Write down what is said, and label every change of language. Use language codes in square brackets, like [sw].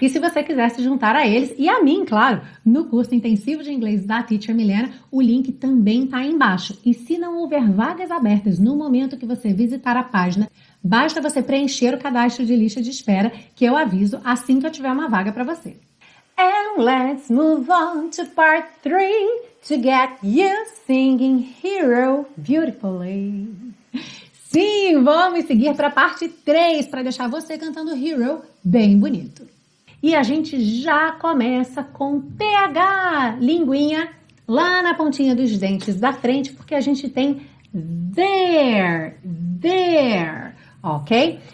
[pt] E se você quiser se juntar a eles e a mim, claro, no curso Intensivo de Inglês da Teacher Milena, o link também está aí embaixo. E se não houver vagas abertas no momento que você visitar a página, basta você preencher o cadastro de lista de espera, que eu aviso assim que eu tiver uma vaga para você. [en] And let's move on to part 3. To get you singing hero beautifully. [pt] Sim, vamos seguir para a parte 3, para deixar você cantando hero bem bonito. E a gente já começa com PH, linguinha, lá na pontinha dos dentes da frente, porque a gente tem there, there, ok?